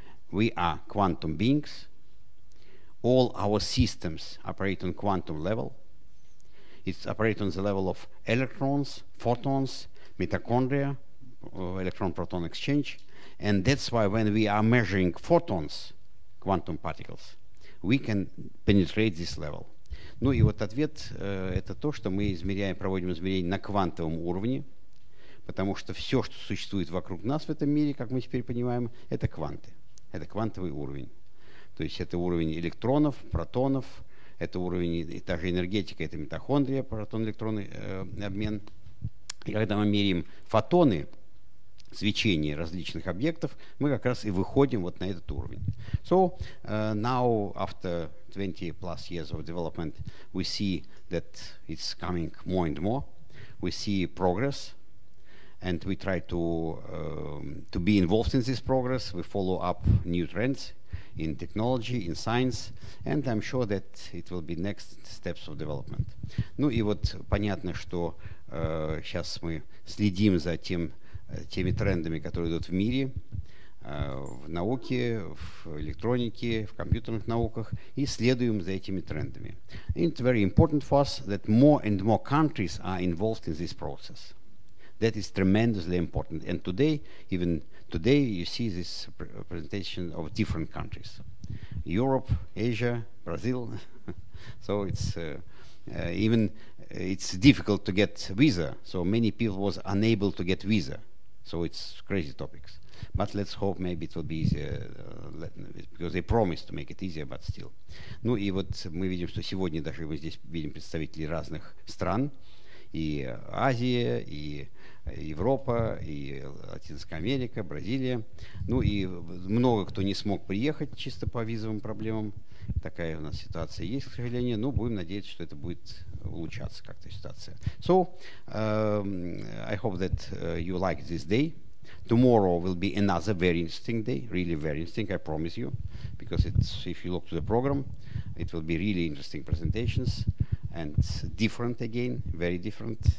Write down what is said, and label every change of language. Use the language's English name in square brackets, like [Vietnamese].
[English] We are quantum beings. All our systems operate on quantum level. It operates on the level of electrons, photons, mitochondria, electron-proton exchange. And that's why when we are measuring photons, quantum particles, we can penetrate this level. [Russian] Ну и вот ответ это то, что мы измеряем, проводим измерения на квантовом уровне, потому что все, что существует вокруг нас в этом мире, как мы теперь понимаем, это кванты. Это квантовый уровень. То есть это уровень электронов, протонов, это уровень, и та же энергетика, это митохондрия, протон-электронный обмен. И когда мы меряем фотоны, свечение различных объектов, мы как раз и выходим вот на этот уровень. [English] So, now, after 20 plus years of development, we see that it's coming more and more. We see progress, and we try to be involved in this progress. We follow up new trends in technology, in science, and I'm sure that it will be next steps of development. [Russian] Ну и вот понятно, что сейчас мы следим за теми трендами, которые идут в мире, в науке, в электронике, в компьютерных науках и следуем за этими трендами. [English] And it's very important for us that more and more countries are involved in this process. That is tremendously important. And today, even today, you see this presentation of different countries. Europe, Asia, Brazil. So it's even it's difficult to get visa. So many people was unable to get visa. So it's crazy topics. But let's hope maybe it will be easier, because they promised to make it easier, but still. [Russian] Ну и вот мы видим, что сегодня даже мы здесь видим представителей разных стран, и Азия, и Европа, и Латинская Америка, Бразилия. Ну и много кто не смог приехать чисто по визовым проблемам. Такая у нас ситуация есть, к сожалению. Но будем надеяться, что это будет улучшаться как-то ситуация. [English] So, I hope that you like this day. Tomorrow will be another very interesting day, really very interesting, I promise you, because it's, if you look to the program, it will be really interesting presentations and different again, very different.